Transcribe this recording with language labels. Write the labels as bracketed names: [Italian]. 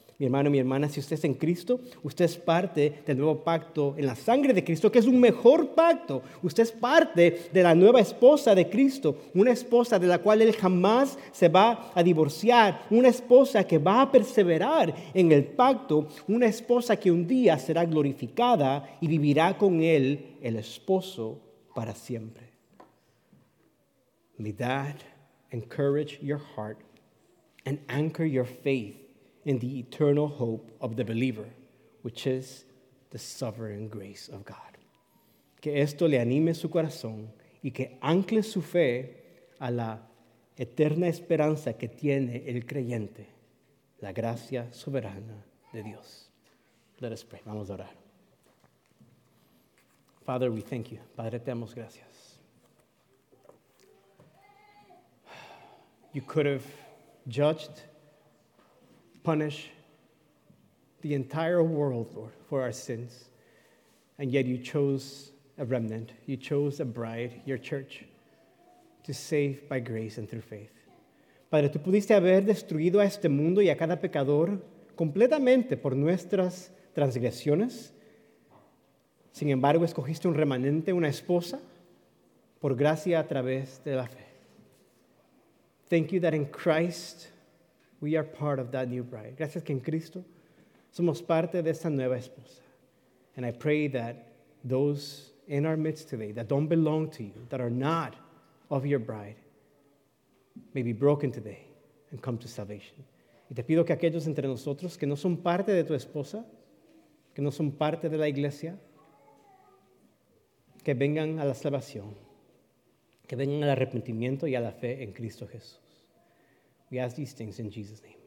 [Spanish] Mi hermano, mi hermana, si usted es en Cristo, usted es parte del nuevo pacto en la sangre de Cristo, que es un mejor pacto. Usted es parte de la nueva esposa de Cristo, una esposa de la cual él jamás se va a divorciar, una esposa que va a perseverar en el pacto, una esposa que un día será glorificada y vivirá con él, el esposo, para siempre. [English] May that encourage your heart and anchor your faith in the eternal hope of the believer, which is the sovereign grace of God. [Spanish] Que esto le anime su corazón y que ancle su fe a la eterna esperanza que tiene el creyente, la gracia soberana de Dios. [English] Let us pray. [Spanish] Vamos a orar. [English] Father, we thank you. [Spanish] Padre, te damos gracias. [English] You could have judged, punish the entire world, Lord, for our sins. And yet you chose a remnant. You chose a bride, your church, to save by grace and through faith. [Spanish] Padre, tú pudiste haber destruido a este mundo y a cada pecador completamente por nuestras transgresiones. Sin embargo, escogiste un remanente, una esposa, por gracia a través de la fe. [English] Thank you that in Christ we are part of that new bride. [Spanish] Gracias que en Cristo somos parte de esta nueva esposa. [English] And I pray that those in our midst today that don't belong to you, that are not of your bride, may be broken today and come to salvation. [Spanish] Y te pido que aquellos entre nosotros que no son parte de tu esposa, que no son parte de la iglesia, que vengan a la salvación, que vengan al arrepentimiento y a la fe en Cristo Jesús. [English] We ask these things in Jesus' name.